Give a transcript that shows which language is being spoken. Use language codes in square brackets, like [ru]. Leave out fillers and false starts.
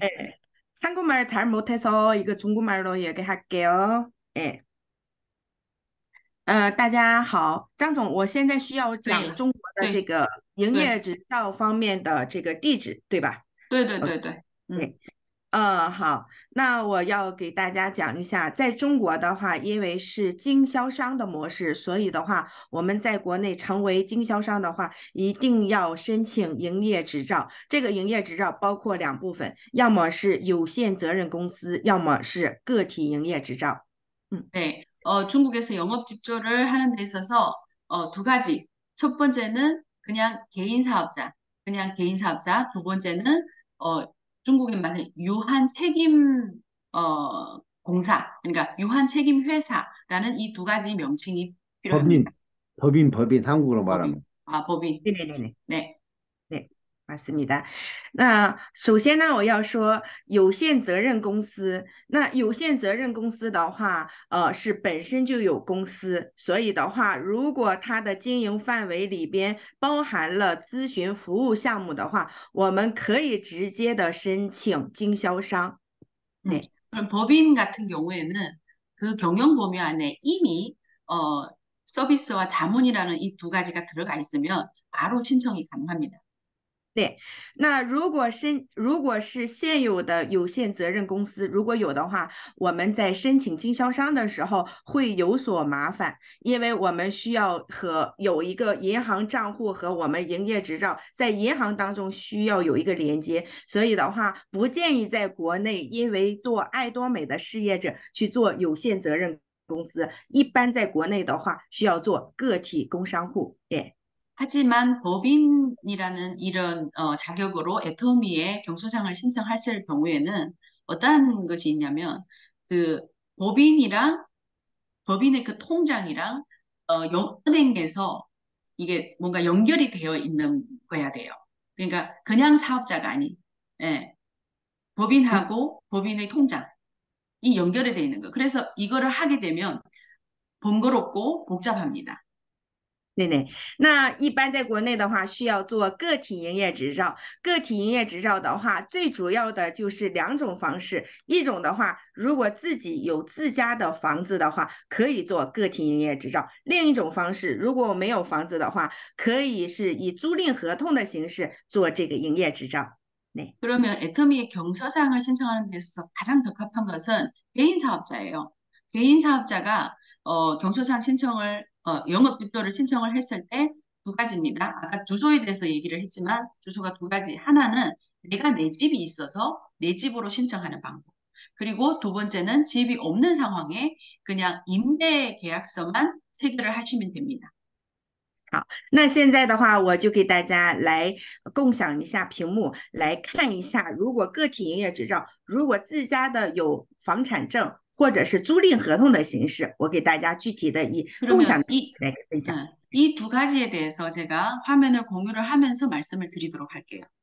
[ko] 네, 한국말 잘 못해서 이거 중국말로 얘기할게요. 예. 네. [zh] 大家好, 张总，我现在需要可以讲了，中国的这个营业执照方面的这个地址，对吧对，？OK，好，那我要给大家讲一下，在中国的话，因为是经销商的模式，所以的话，我们在国内成为经销商的话，一定要申请营业执照。这个营业执照包括两部分，要么是有限责任公司，要么是个体营业执照。 [ko] 对，중국에서 영업 직조를 하는 데 있어서 두 가지. 첫 번째는 그냥 개인 사업자, 그냥 개인 사업자. 두 번째는 중국인 말로 유한 책임 공사, 그러니까 유한 책임 회사라는 이두 가지 명칭이 필요합니다. 법인, 한국으로 법인, 말하면. 법인, 네네네네. 네. 맞습니다. [zh] 那首先呢，我要说有限责任公司。那有限责任公司的话，是本身就有公司，所以的话，如果它的经营范围里边包含了咨询服务项目的话，我们可以直接的申请经销商。 [ko] 그럼 법인 같은 경우에는 그 경영 범위 안에 이미 서비스와 자문이라는 이두 가지가 들어가 있으면 바로 신청이 가능합니다. [zh] 네, 那如果是现有的有限责任公司，如果有的话，我们在申请经销商的时候会有所麻烦，因为我们需要和有一个银行账户和我们营业执照在银行当中需要有一个连接，所以的话不建议在国内因为做爱多美的事业者去做有限责任公司，一般在国内的话需要做个体工商户，对。 [ko] 하지만 법인이라는 이런 자격으로 애터미의 경소장을 신청할 경우에는 어떠한 것이 있냐면 그 법인이랑 법인의 그 통장이랑 연은행에서 이게 뭔가 연결이 되어 있는 거야 돼요. 그러니까 그냥 사업자가 아닌 예. 법인하고 법인의 통장이 연결이 되어 있는 거. 그래서 이거를 하게 되면 번거롭고 복잡합니다. [zh] 네네，那一般在国内的话，需要做个体营业执照。个体营业执照的话，最主要的就是两种方式。一种的话，如果自己有自家的房子的话，可以做个体营业执照；另一种方式，如果没有房子的话，可以是以租赁合同的形式做这个营业执照。 [ko] 그러면 애터미의 경서장을 신청하는 데 있어서 가장 적합한 것은 개인 사업자예요. 개인 사업자가 경서장 신청을 영업집도를 신청을 했을 때두 가지입니다. 아까 주소에 대해서 얘기를 했지만 주소가 두 가지. 하나는 내가 내 집이 있어서 내 집으로 신청하는 방법. 그리고 두 번째는 집이 없는 상황에 그냥 임대 계약서만 체결을 하시면 됩니다. [zh] 好，那现在的话，我就给大家来共享一下屏幕，来看一下，如果个体营业执照，如果自家的有房产证或者是租赁合同的形式，我给大家具体的以共享 [ko] 그러면 [zh] 来分享。 [ko] 이두 가지에 대해서 제가 화면을 공유를 하면서 말씀을 드리도록 할게요.